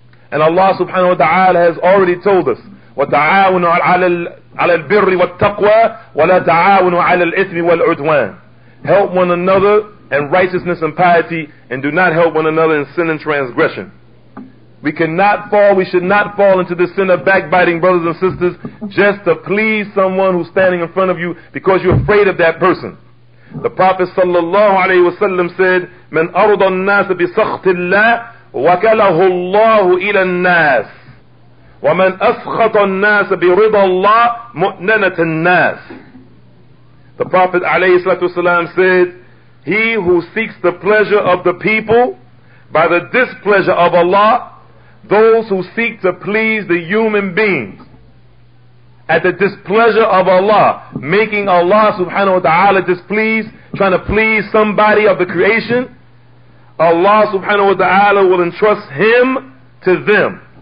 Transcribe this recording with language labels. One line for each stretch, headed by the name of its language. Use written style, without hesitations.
English: And Allah subhanahu wa ta'ala has already told us,
Arabic: وَتَعَاوَنُوا عَلَى الْبِرِّ وَالتَّقْوَى وَلَا تَعَاوَنُوا عَلَى الْإِثْمِ وَالْعُدْوَانِ,
English: help one another in righteousness and piety, and do not help one another in sin and transgression. We cannot fall, we should not fall into the sin of backbiting, brothers and sisters, just to please someone who's standing in front of you because you're afraid of that person. The Prophet sallallahu alayhi wa sallam said,
Arabic: من أرض الناس بسخط الله وكله الله إلى الناس ومن أسخط الناس برضا الله مؤننة الناس.
English: The Prophet alayhi salatu wasalam said, he who seeks the pleasure of the people by the displeasure of Allah, those who seek to please the human beings at the displeasure of Allah, making Allah subhanahu wa ta'ala displeased, trying to please somebody of the creation, Allah subhanahu wa ta'ala will entrust him to them.